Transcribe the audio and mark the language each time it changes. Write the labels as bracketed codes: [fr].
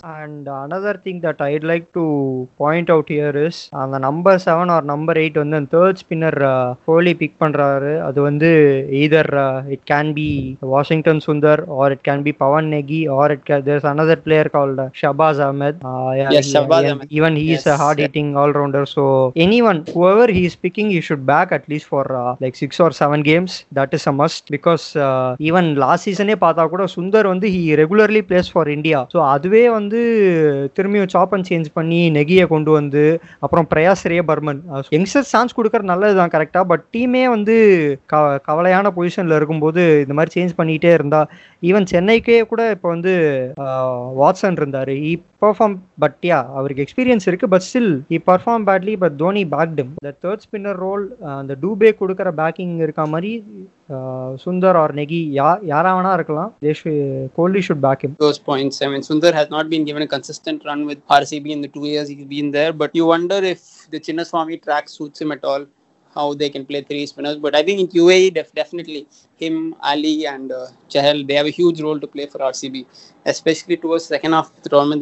[en] And another thing that I'd like to point out here is on the number 7 or number 8 on the third spinner Kohli pick [ta] pandraru adu vandu [en] either it can be Washington Sundar or it can be Pawan Negi or it can, there's another player called Shahbaz Ahmed. Yes, Shahbaz Ahmed. Even he is a hard hitting all rounder, so anyone whoever he is picking, he should back at least for like 6 or 7 games. That is a must, because even last season [ta] e paatha kuda [en] Sundar vandu he regularly plays for India. [ta] So, அதுவே வந்து திரும்பியும் சாப் and change பண்ணி நெகியை கொண்டு வந்து அப்புறம் பிரயாஸ் ரே Burman youngster chance கொடுக்கற நல்லதுதான் கரெக்டா, பட் டீமே வந்து கவலையான பொசிஷன்ல இருக்கும்போது இந்த மாதிரி சேஞ்ச் பண்ணிட்டே இருந்தா, ஈவன் சென்னைக்கே கூட இப்போ வந்து வாட்சன் இருந்தாரு, [en] he perform [ta] பட்யா அவருக்கு எக்ஸ்பீரியன்ஸ் இருக்கு, [en] but still he perform badly, [ta] but Dhoni பேக்டும் third spinner role அந்த டூபே கொடுக்கற பேக்கிங் இருக்க மாதிரி Sundar or Negi, yaravana irukalam, [en] Kohli should back him. Those points, I mean, Sundar has not been given a consistent run with RCB in the 2 years he's been there, but you wonder if the Chinnaswamy track suits him at all, how they can play three spinners. But I think in UAE, definitely him, Ali and Chahal, they have a huge role to play for RCB, especially towards second half of the tournament.